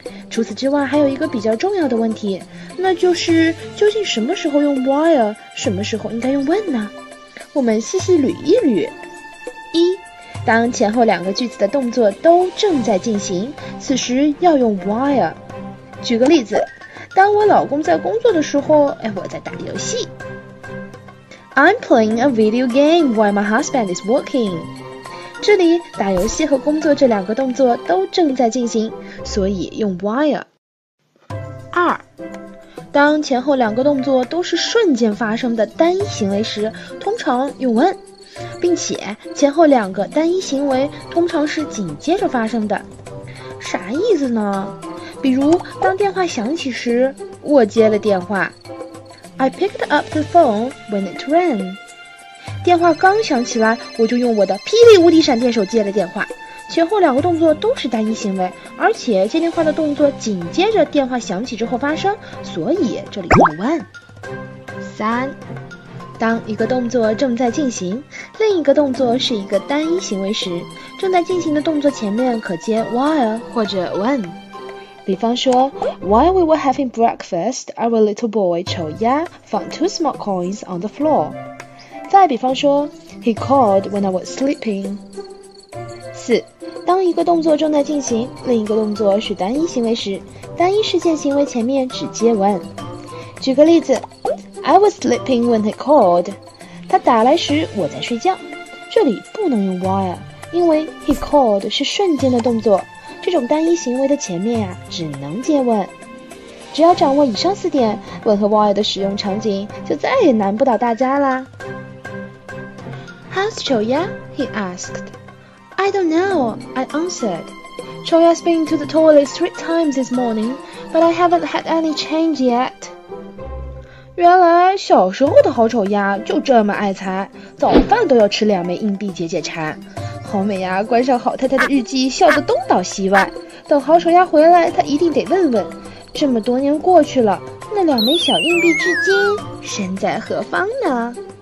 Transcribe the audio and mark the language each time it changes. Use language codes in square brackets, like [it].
[zh] 除此之外还有一个比较重要的问题，那就是究竟什么时候用 while， 什么时候应该用 when 呢？我们细细捋一捋。一，当前后两个句子的动作都正在进行，此时要用 while。举个例子，当我老公在工作的时候，哎，我在打游戏。 [en] I'm playing a video game while my husband is working. [zh] 这里打游戏和工作这两个动作都正在进行，所以用 while。二，当前后两个动作都是瞬间发生的单一行为时，通常用 when， 并且前后两个单一行为通常是紧接着发生的。啥意思呢？比如当电话响起时，我接了电话。 [en] I picked up the phone when it rang. [zh] 电话刚响起来，我就用我的霹雳无敌闪电手接了电话。前后两个动作都是单一行为，而且接电话的动作紧接着电话响起之后发生，所以这里有 when。三，当一个动作正在进行，另一个动作是一个单一行为时，正在进行的动作前面可接 while 或者 when。比方说 [en] ，While we were having breakfast, our little boy Chou Ya found two small coins on the floor。 [zh] 再比方说 [en] ，He called when I was sleeping。 [zh] 四，当一个动作正在进行，另一个动作是单一行为时，单一事件行为前面只接 when。举个例子 ， [en] I was sleeping when he called。 [zh] 他打来时，我在睡觉。这里不能用 while， 因为 [en] he called [zh] 是瞬间的动作。这种单一行为的前面啊，只能接 when。只要掌握以上四点 ，when 和 while 的使用场景，就再也难不倒大家啦。 [en] How's Chou Ya? He asked. I don't know. I answered. Chou Ya's been to the toilet 3 times this morning, but I haven't had any change yet. [zh] 原来小时候的好丑鸭就这么爱财，早饭都要吃两枚硬币解解馋。好美呀，关上好太太的日记，笑得东倒西歪。等好丑鸭回来，他一定得问问，这么多年过去了，那两枚小硬币至今身在何方呢？